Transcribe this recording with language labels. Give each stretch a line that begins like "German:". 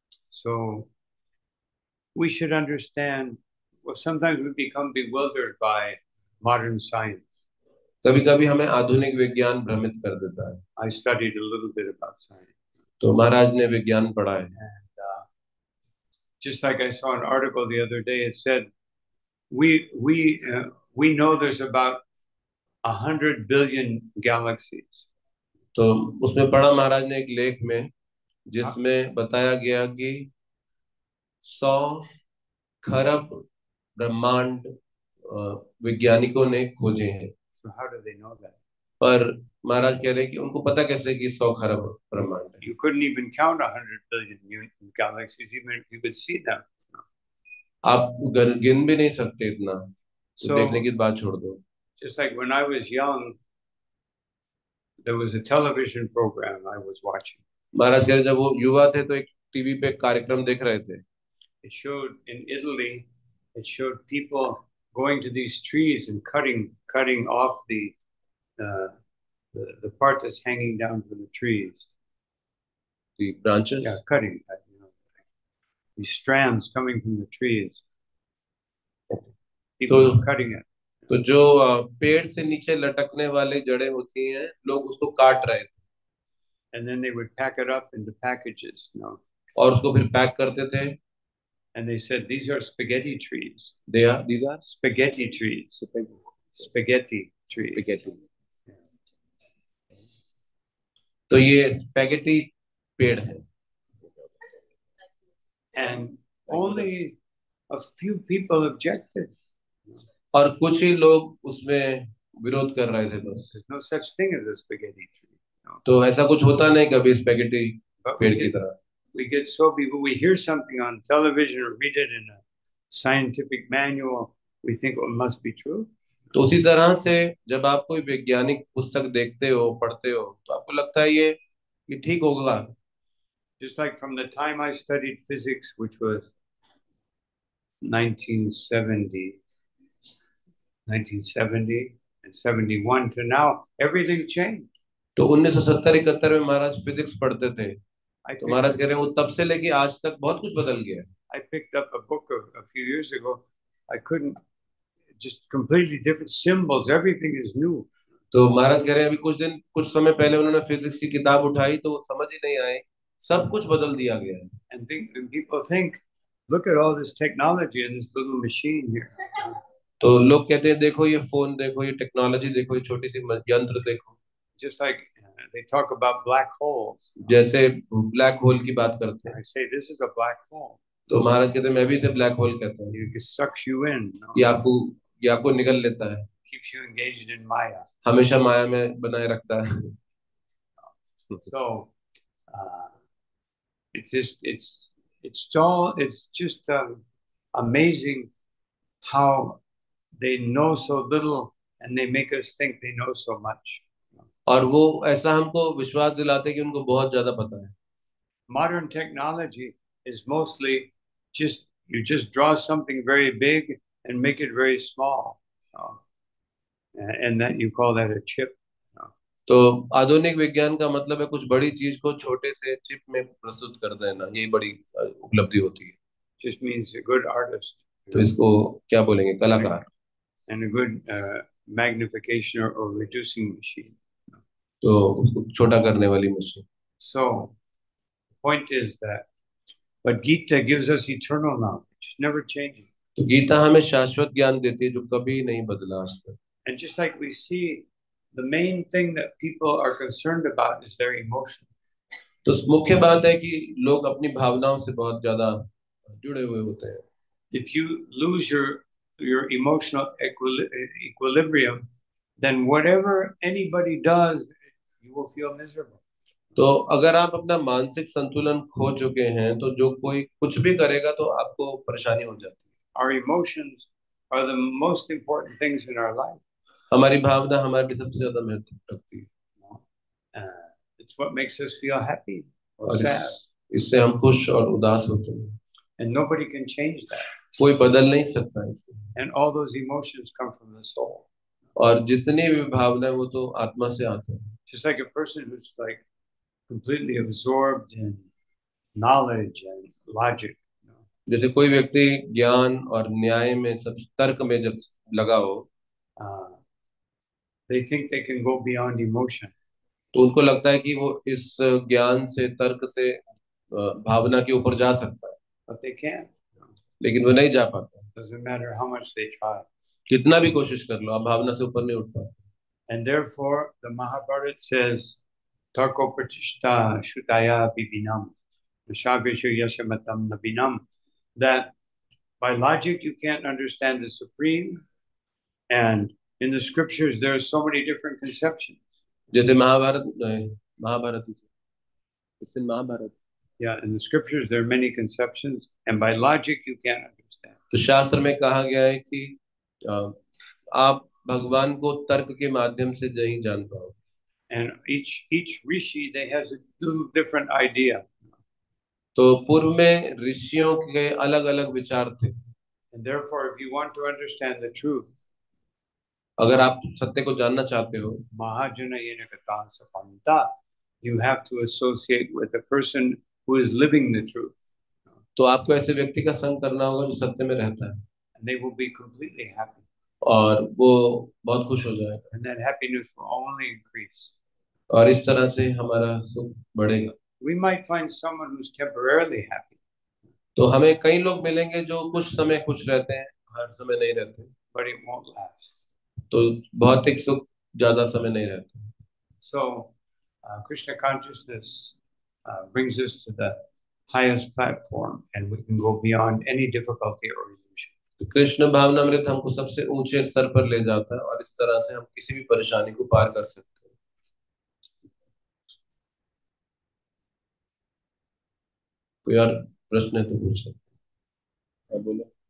English: So we should understand, well, sometimes we become bewildered by modern science.
Hindi: कभी-कभी हमें आधुनिक विज्ञान भ्रमित कर देता है.
English: I studied a little bit about science.
Hindi: तो महाराज ने विज्ञान पढ़ा है.
English: And, just like I saw an article the other day, it said we know there's about 100 billion galaxies.
Hindi: तो उसमें पढ़ा महाराज ने एक लेख में जिसमें बताया गया कि 100 खरब ब्रह्मांड वैज्ञानिकों ने खोजे हैं.
English: So how do they know that?
Hindi: पर महाराज कह रहे हैं कि उनको पता कैसे कि 100 खरब ब्रह्मांड है.
English: You couldn't even count 100 billion galaxies even if you could see them.
Hindi: आप गिन भी नहीं सकते इतना. So, देखने की बात छोड़ दो.
English: Just like when I was young, there was a television program I was watching.
Hindi: महाराज कह रहे जब वो युवा थे तो एक टीवी पे कार्यक्रम देख रहे थे.
English: It showed in Italy, it showed people going to these trees and cutting off the part that's hanging down from the trees. The branches? Yeah, cutting. You know, the strands coming from the trees. People were cutting it.
Hindi: तो जो पेड़ से नीचे लटकने वाले जड़े होती हैं, लोग उसको काट रहे थे.
English: And then they would pack it up into packages. No.
Hindi: और उसको फिर पैक करते थे.
English: And they said these are spaghetti trees. They are. These are spaghetti trees. Spaghetti trees. Spaghetti.
Hindi: तो ये spaghetti पेड़ है.
English: And only a few people objected.
Hindi: और कुछ ही लोग उसमें विरोध कर रहे थे बस.
English: There's no such thing as a spaghetti tree.
Hindi: तो ऐसा कुछ होता नहीं कभी स्पेगेटी पेड़ की तरह.
English: We get so busy, we hear something on television or read it in a scientific manual, we think it must be true.
Hindi: तो उसी तरह से जब आप कोई वैज्ञानिक पुस्तक देखते हो पढ़ते हो तो आपको लगता है ये ठीक होगा.
English: Just like from the time I studied physics, which was 1970 and 71 to now, everything changed.
Hindi: तो 1970-71 में महाराज फिजिक्स पढ़ते थे तो महाराज कह रहे हैं वो तब से लेके आज तक बहुत कुछ बदल गया.
English: I picked up a book a few years ago. I couldn't just completely different symbols. Everything is new.
Hindi: तो महाराज कह रहे हैं अभी कुछ दिन कुछ समय पहले उन्होंने फिजिक्स की किताब उठाई तो समझ ही नहीं आए सब कुछ बदल दिया गया है.
English: And think, and people think, look at all this technology and this little machine here.
Hindi: तो लोग कहते हैं देखो ये फोन देखो ये टेक्नोलॉजी देखो ये छोटी सी यंत्र देखो.
English: Just like they talk about black holes.
Hindi: जैसे ब्लैक होल की बात करते हैं.
English: I say this is a black hole.
Hindi: तो महाराज कहते हैं मैं भी इसे ब्लैक होल कहता हूँ.
English: It sucks you in.
Hindi: ये आपको निगल लेता है.
English: Keeps you engaged in Maya.
Hindi: हमेशा माया में बनाए रखता है.
English: So, it's just amazing how they know so little and they make us think they know so much.
Hindi: और वो ऐसा हमको विश्वास दिलाते हैं कि उनको बहुत ज्यादा पता है.
English: Modern technology is mostly just you just draw something very big and make it very small, and that you call that a chip.
Hindi: तो आधुनिक विज्ञान का मतलब है कुछ बड़ी चीज को छोटे से चिप में प्रस्तुत कर देना, यही बड़ी उपलब्धि होती है.
English: Just means a good artist.
Hindi: तो इसको क्या बोलेंगे, कलाकार.
English: And a good magnification or reducing machine.
Hindi: तो छोटा करने वाली मुझसे.
English: So, point is that, but Gita gives us eternal knowledge, never changing.
Hindi: तो गीता हमें शाश्वत ज्ञान देती है जो कभी नहीं बदला.
English: And just like we see, the main thing that people are concerned about is their emotion.
Hindi: तो मुख्य बात है कि लोग अपनी भावनाओं से बहुत ज्यादा जुड़े हुए होते हैं.
English: If you lose your emotional equilibrium, then whatever anybody does, you will feel miserable.
Hindi: तो अगर आप अपना मानसिक संतुलन खो चुके हैं तो जो कोई कुछ भी करेगा तो आपको परेशानी हो जाती है.
English: Our emotions are the most important things in our life.
Hindi: हमारी भावना हमारे लिए सबसे ज्यादा महत्व रखती है.
English: It's what makes us feel happy or sad.
Hindi: इससे हम खुश और उदास होते हैं.
English: And nobody can change that.
Hindi: कोई बदल नहीं सकता इसको.
English: And all those emotions come from the soul.
Hindi: और जितनी भी भावना है वो तो आत्मा से आते हैं.
English: Just like a person who's like completely absorbed in knowledge and logic.
Hindi: जैसे कोई व्यक्ति ज्ञान और न्याय में सब तर्क में जब लगा हो
English: they think they can go beyond emotion.
Hindi: तो उनको लगता है कि वो इस ज्ञान से तर्क से भावना के ऊपर जा सकता है.
English: But they can't.
Hindi: लेकिन वो नहीं जा पाता.
English: Doesn't matter how much they try.
Hindi: कितना भी कोशिश कर लो आप भावना से ऊपर नहीं उठ पाते.
English: And therefore, the Mahabharata says,
Sanskrit: "Tarko pratishta shutaya vibinam, shavishu yashamatam nabinam."
English: That by logic you can't understand the supreme, and in the scriptures there are so many different conceptions.
Hindi: जैसे Mahabharat
English: it's in Mahabharata. Yeah, in the scriptures there are many conceptions, and by logic you can't understand.
Hindi: तो शास्त्र में कहा गया है कि आप भगवान को तर्क के माध्यम से नहीं जान पाओ.
English: And each rishi they has a little different idea.
Hindi: तो पूर्व में ऋषियों के अलग अलग विचार थे.
English: And therefore, if you want to understand the truth,
Hindi: अगर आप सत्य को जानना चाहते हो,
Sanskrit: महाजनयेन कथा सपन्ता,
English: you have to associate with a person who is living the truth.
Hindi: तो आपको ऐसे व्यक्ति का संग करना होगा जो सत्य में रहता है.
English: And they will be completely happy.
Hindi: और वो बहुत खुश हो जाएगा.
English: And that happiness will only increase.
Hindi: और इस तरह से हमारा सुख बढ़ेगा.
English: We might find someone who's temporarily happy.
Hindi: तो हमें कई लोग मिलेंगे जो कुछ समय खुश रहते हैं, हर समय नहीं रहते.
English: But it won't last.
Hindi: तो भौतिक सुख ज्यादा समय नहीं रहते.
English: So, Krishna consciousness brings us to the highest platform, and we can go beyond any difficulty or illusion.
Hindi: Krishna भावना मृत हमको सबसे ऊंचे स्तर पर ले जाता है और इस तरह से हम किसी भी परेशानी को पार कर सकते हैं. कोई और प्रश्न है तो पूछ सकते हैं. बोलो.